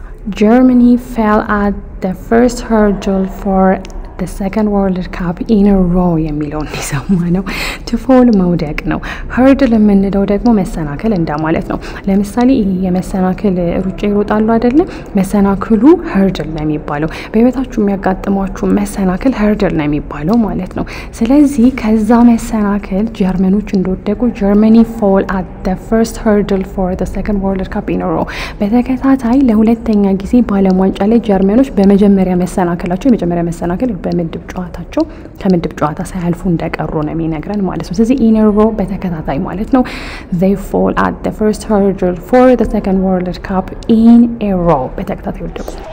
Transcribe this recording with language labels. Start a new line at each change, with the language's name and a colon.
English: Germany fell at the first hurdle for the second World Cup in a row.
Amharic: የሚለውን ይሰማነው
English: to fall
Amharic: መውደቅ ነው. Hurdle የምንለው ደግሞ መሰናክል እንደማለት ነው. ለምሳሌ የመሰናክል ሩጫ ይሮጣሉ አይደለ? መሰናክሉ hurdle ነው የሚባለው. በህይወታችሁ የሚያጋጥማችሁ መሰናክል hurdle ነው የሚባለው ማለት ነው. ስለዚህ ከዛ መሰናክል ጀርመኖች እንደወደቁ
English: Germany fall at the first hurdle for the second World Cup in a row.
Amharic: በተከታታይ ለሁለተኛ ጊዜ በዓለም ዋንጫ ላይ ጀርመኖች በመጀመሪያ መሰናክላቸው የመጀመሪያ መሰናክል በምድብ ጨዋታቸው ከምድብ ጨዋታ ሳይልፉ እንደቀሩ ነው የሚነግረን ማለት ነው ስለዚህ in a row በተከታታይ ማለት ነው
English: they fall at the first hurdle for the second world cup in a row
Amharic: በተከታታይ ወደቁ